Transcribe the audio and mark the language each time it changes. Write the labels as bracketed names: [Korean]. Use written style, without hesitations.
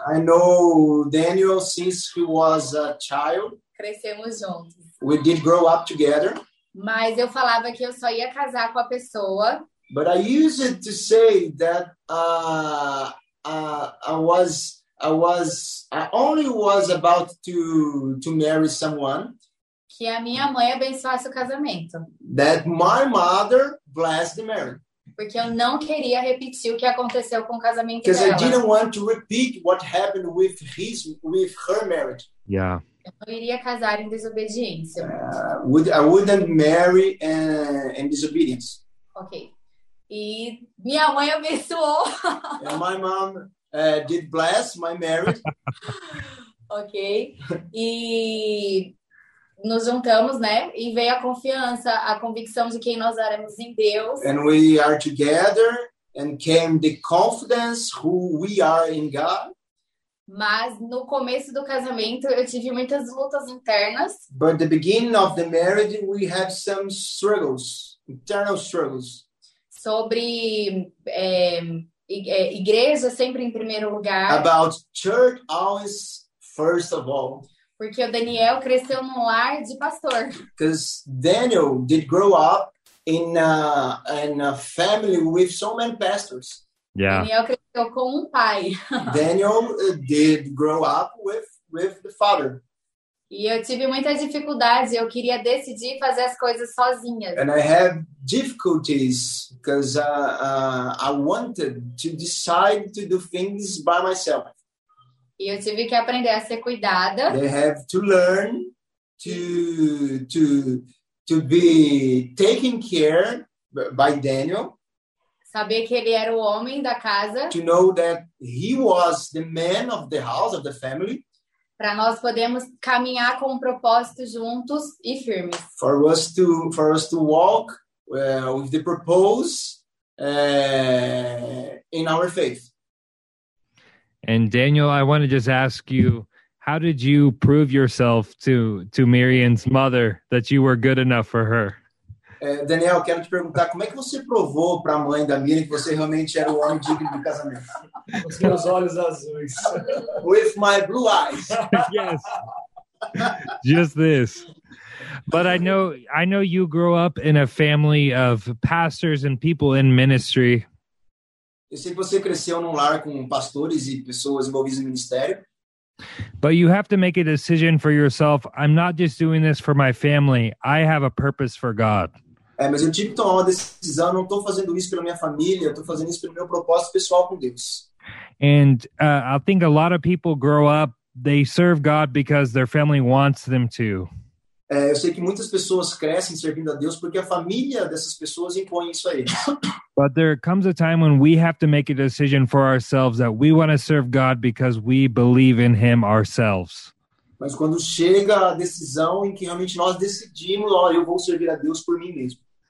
[English] I know Daniel since he was a child. [Portuguese] Crescemos juntos. [English] We did grow up together. [Portuguese] Mas eu falava que eu só ia casar com a pessoa. [English] But I used it to say that I only was about to marry someone. [Portuguese] Que a minha mãe abençoasse o casamento. [English] That my mother blessed the marriage. [Portuguese] Porque eu não queria repetir o que aconteceu com o casamento dela. [English] Because I didn't want to repeat what happened with her marriage. Yeah. [Portuguese] Eu não iria casar em desobediência. [English] I wouldn't marry in disobedience. [Portuguese] Ok. E minha mãe abençoou. [English] And my mom did bless my marriage. [Portuguese] Ok. E nos juntamos, né? E veio a confiança, a convicção de quem nós éramos em Deus. [English] And we are together. And came the confidence who we are in God. [Portuguese] Mas no começo do casamento eu tive muitas lutas internas. [English] But the beginning of the marriage we have some struggles, internal struggles. [Portuguese] Sobre igreja sempre em primeiro lugar. [English] About church always first of all. [Portuguese] Porque o Daniel cresceu num lar de pastor. [English] Because Daniel did grow up in a family with so many pastors. Yeah. [Portuguese] Daniel cresceu com um pai. [English] Daniel did grow up with the father. [Portuguese] E eu tive muita dificuldade, eu queria decidir fazer as coisas sozinha. [English] And I have difficulties because I wanted to decide to do things by myself. [Portuguese] E eu tive que aprender a ser cuidada. [English] They have to learn to be taken care by Daniel. [Portuguese] Saber que ele era o homem da casa. [English] To know that he was the man of the house, of the family. [Portuguese] Para nós podemos caminhar com um propósito juntos e firmes. [English] For us to walk with the purpose in our faith. And Daniel, I want to just ask you, how did you prove yourself to Miriam's mother that you were good enough for her? [Portuguese] Daniel, quero te perguntar, como é que você provou para a mãe da Miriam que você realmente era o homem digno do casamento? Os meus olhos azuis. [English] With my blue eyes. Yes. Just this. But I know you grew up in a family of pastors and people in ministry. [Portuguese] Eu sei que você cresceu num lar com pastores e pessoas envolvidas no ministério. [English] But you have to make a decision for yourself. I'm not just doing this for my family. I have a purpose for God. [Portuguese] É, mas eu tive que tomar uma decisão. Não estou fazendo isso pela minha família. Estou fazendo isso pelo meu propósito pessoal com Deus. [English] And I think a lot of people grow up, they serve God because their family wants them to. [Portuguese] É, eu sei que muitas pessoas crescem servindo a Deus porque a família dessas pessoas impõe isso a eles. [English] But there comes a time when we have to make a decision for ourselves that we want to serve God because we believe in Him ourselves. [Portuguese] Mas quando chega a decisão em que realmente nós decidimos, ó, eu vou servir a Deus por mim mesmo.